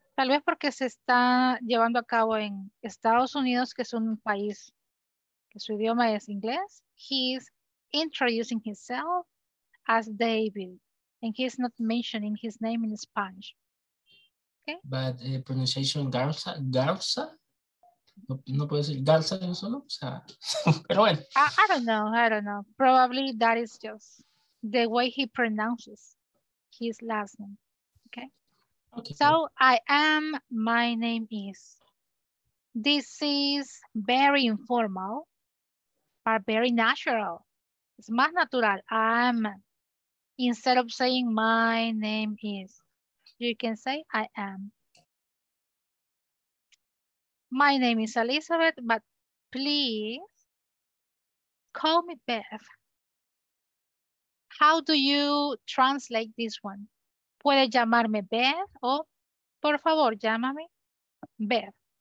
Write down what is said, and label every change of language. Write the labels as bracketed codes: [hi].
[es] Tal vez porque se está llevando a cabo en Estados Unidos, que es un país que su idioma es inglés. [en] He's introducing himself as David. And he's not mentioning his name in Spanish. Okay. But pronunciation [es] Garza, Garza? No, no puede ser Garza en solo? O sea, pero bueno. [en] I don't know. Probably that is just the way he pronounces his last name. Okay. So I am, my name is. This is very informal, but very natural. It's [es] más natural. [en] I'm. Instead of saying my name is, you can say I am. My name is Elizabeth, but please call me Beth. How do you translate this one? [es] Puede llamarme Beth o por favor llámame Beth.